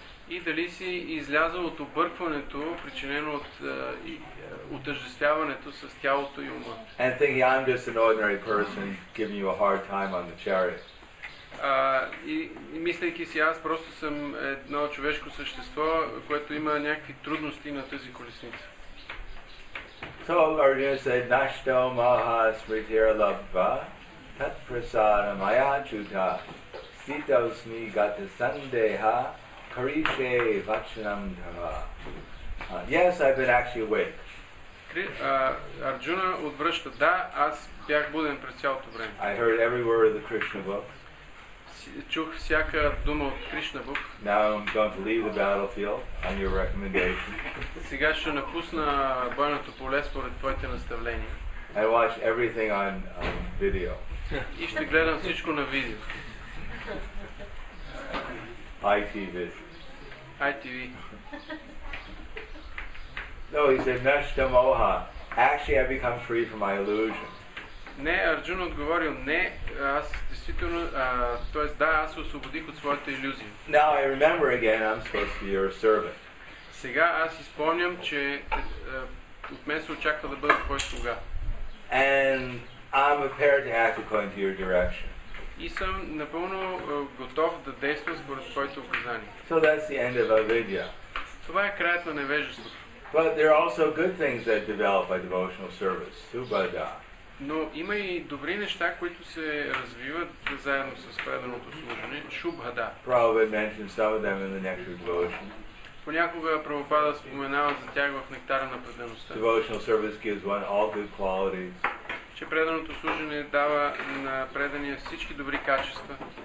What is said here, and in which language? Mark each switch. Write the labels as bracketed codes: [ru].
[bg] И дали си излязъл от объркването, причинено от отъждествяването с тялото и ума. [en] And thinking I'm just an ordinary person giving you a hard time on the chariot. [bg] И мислейки си аз просто съм едно човешко същество, което има някакви трудности на тази колесница. [en] So Arjuna said, [sa] Nashto maha smritira labha tat prasada maya chuta sita usmi gata sandeha Krishe vachanam dhava. [en] Yes, I've been actually awake. [bg] Арджуна отвръща, да, аз бях буден през цялото време. [en] I heard every word of the Krishna book. [bg] Чух всяка дума от Кришна бук. [en] Now I'm going to leave the battlefield on your recommendation. [bg] Сега ще напусна бойното поле според твоите наставления. [en] I watch everything on video. [bg] И ще гледам всичко на видео. [en] ITV. No, he said, [sa] Nashta moha. [en] Actually, I've become free from my illusion. [bg] Не, Арджуна отговорил, не, аз действително, т.е. да, аз се освободих от своята иллюзия. [en] Now I remember again, I'm supposed to be your servant. [bg] Сега аз изпомням, че от мен се очаква да бъда твой слуга. [en] And I'm prepared to act according to your direction. [bg] И съм напълно готов да действам според своите указания. [en] So that's the end of avidya. [bg] Това е краят на невежеството. [en] But there are also good things that develop by devotional service. [sa] Subhada. [bg] Но има и добри неща, които се развиват заедно с преданото служене. [sa] Шубхада. [en] Prabhupada mentioned some of them in the nectar of devotion. [bg] Понякога Прабхупада споменава за тях в нектара на предаността. [en] Devotional service gives one all good qualities. [bg] Че преданото служене дава на предания всички добри качества.